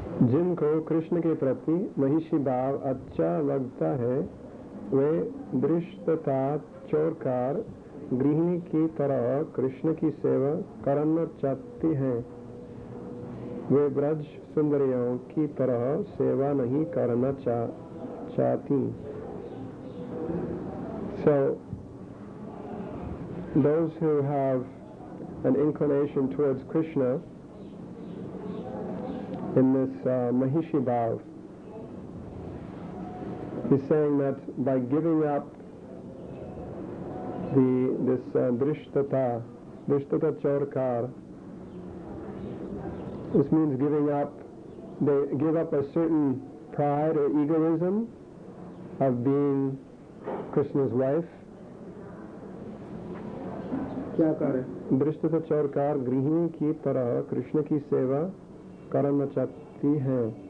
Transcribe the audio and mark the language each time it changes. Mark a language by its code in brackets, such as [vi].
[hi] जिनको कृष्ण के प्रति महिषि भाव अच्छा लगता है वे दृष्टता चोरकार गृहिणी की तरह कृष्ण की सेवा करना चाहती हैं। वे ब्रज सुंदरियों की तरह सेवा नहीं करना चाहती। [en] So, those who have an inclination towards Krishna in this Mahishi Bhav. He's saying that by giving up this drishtata, drishtata chorkar, this means giving up, they give up a certain pride or egoism of being Krishna's wife. [hi] दृष्टता चौरकार गृहिणी की तरह कृष्ण की सेवा करना चाहती है.